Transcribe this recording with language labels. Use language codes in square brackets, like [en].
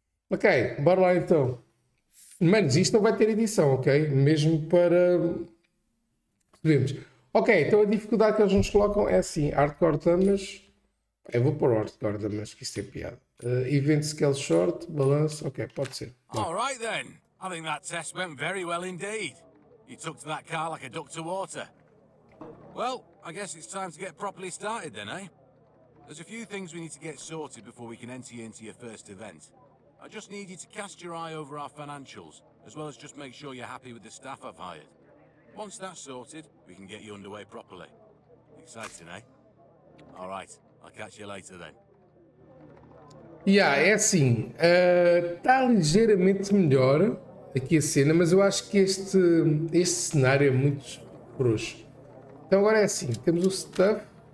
[pt] Ok, bora lá então. Manos, isto não vai ter edição, ok? Mesmo para... Vemos. Ok, então a dificuldade que eles nos colocam é assim. Hardcore Damage. Eu vou pôr Hardcore Damage, que isto é piada. Event Scale Short, Balance. Ok, pode ser. [en] All right, then. I think that test went very well indeed. You took to that car like a duck to water. Well, I guess it's time to get properly started then, eh? There's a few things we need to get sorted before we can enter you into your first event. I just need you to cast your eye over our financials, as well as just make sure you're happy with the staff I've hired. Once that's sorted, we can get you underway properly. Exciting, eh? All right, I'll catch you later then. [pt] Yeah, é assim, está ligeiramente melhor aqui a cena, mas eu acho que este cenário é muito frouxo. Então agora é assim, temos o staff.